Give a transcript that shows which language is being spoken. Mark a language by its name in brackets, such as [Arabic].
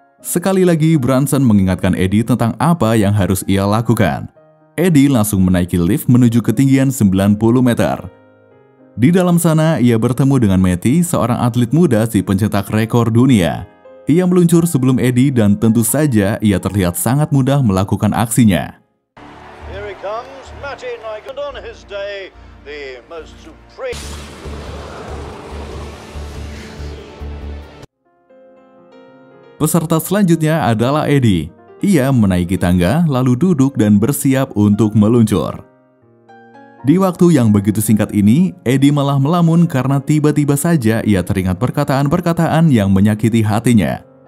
[Indonesian] Sekali lagi, Branson mengingatkan Eddie tentang apa yang harus ia lakukan. Eddie langsung menaiki lift menuju ketinggian 90 meter. Di dalam sana, ia bertemu dengan Matty, seorang atlet muda si pencetak rekor dunia. Ia meluncur sebelum Eddie dan tentu saja ia terlihat sangat mudah melakukan aksinya. [English] Here he comes, Matty Nygaard, and on his day, the most supreme... [Indonesian] Peserta selanjutnya adalah Eddie. Ia menaiki tangga, lalu duduk dan bersiap untuk meluncur. Di waktu yang begitu singkat ini, Eddie malah melamun karena tiba-tiba saja ia teringat perkataan-perkataan yang menyakiti hatinya.